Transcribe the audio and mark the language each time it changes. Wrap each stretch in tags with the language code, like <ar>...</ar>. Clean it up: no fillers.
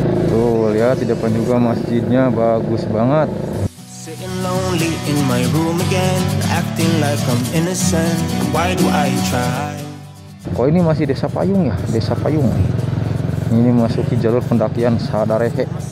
<id>Tuh lihat di depan juga masjidnya bagus banget.</id> <en>Sitting lonely in my room again, acting like I'm innocent. Why do I try?</en> <id>Kok ini masih Desa Payung ya? Desa Payung. Ini masuki jalur pendakian Sadarehe.</id>